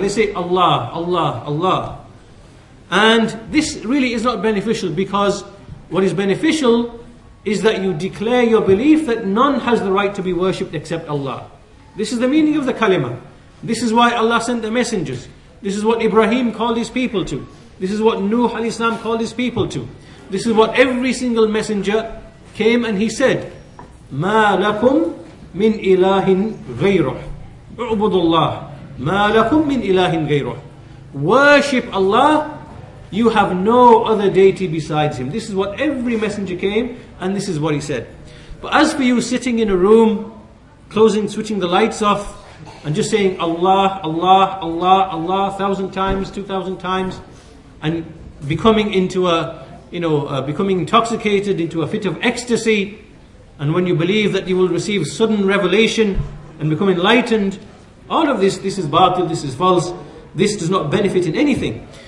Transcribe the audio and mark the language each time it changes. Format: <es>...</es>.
<en>They say Allah, Allah, Allah. And this really is not beneficial, because what is beneficial is that you declare your belief that none has the right to be worshipped except Allah. This is the meaning of the kalima. This is why Allah sent the messengers. This is what Ibrahim called his people to. This is what Nuh al-Islam called his people to. This is what every single messenger came and he said,</en> <ar>مَا لَكُمْ مِنْ إِلَٰهٍ غَيْرُهُ اُعْبُدُ اللَّهِ مَا لَكُمْ مِنْ إِلَٰهٍ غَيْرُهُ.</ar> <en>Worship Allah, you have no other deity besides him. This is what every messenger came and this is what he said. But as for you sitting in a room, closing, switching the lights off, and just saying Allah, Allah, Allah, Allah, 1,000 times, 2,000 times, and becoming into a, you know, becoming intoxicated into a fit of ecstasy, and when you believe that you will receive sudden revelation and become enlightened, all of this is batil, this is false, this does not benefit in anything.</en>